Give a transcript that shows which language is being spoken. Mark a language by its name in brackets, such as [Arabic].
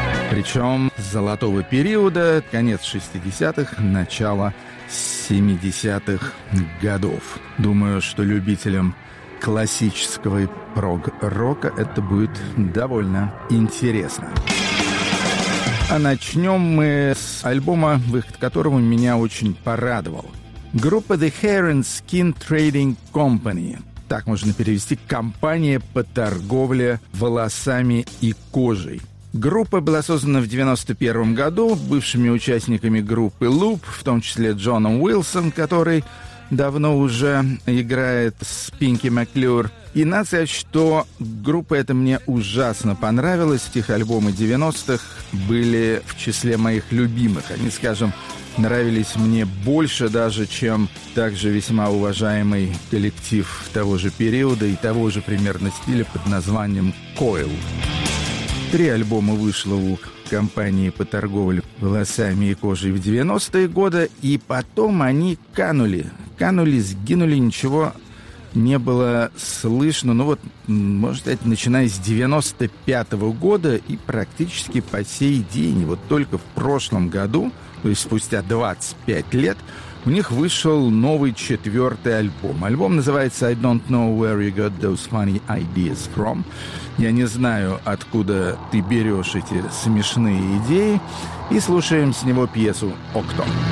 [Russian] Причем золотого периода, конец 60-х, начало 70-х годов. Думаю, что любителям классического прог-рока это будет довольно интересно. А начнем мы с альбома, выход которого меня очень порадовал. Группа The Hair and Skin Trading Company. Так можно перевести — «Компания по торговле волосами и кожей». Группа была создана в 91 году бывшими участниками группы Loop, в том числе Джоном Уилсом, который давно уже играет с Пинки Маклюр. И надо сказать, что группа эта мне ужасно понравилась. Их альбомы 90-х были в числе моих любимых. Они, скажем, нравились мне больше даже, чем также весьма уважаемый коллектив того же периода и того же примерно стиля под названием Coil. Три альбома вышло у компании по торговле волосами и кожей в 90-е годы, и потом они канули, сгинули, ничего не было слышно, ну вот, можно сказать, начиная с 95-го года и практически по сей день. Вот только в прошлом году, то есть спустя 25 лет, у них вышел новый четвертый альбом. Альбом называется [English] «I don't know where you got those funny ideas from». [Russian] «Я не знаю, откуда ты берешь эти смешные идеи». И слушаем с него пьесу «Окто».